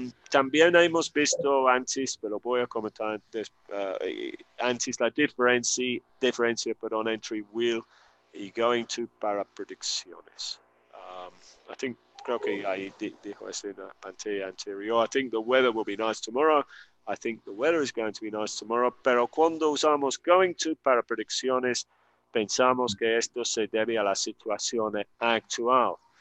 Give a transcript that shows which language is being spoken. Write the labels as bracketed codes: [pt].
[es] También hemos visto antes, pero voy a comentar antes la diferencia, perdón, entre will y going to para predicciones. Creo que ahí dijo eso en la pantalla anterior. [en] I think the weather will be nice tomorrow. I think the weather is going to be nice tomorrow. [es] Pero cuando usamos going to para predicciones, pensamos que esto se debe a la situación actual.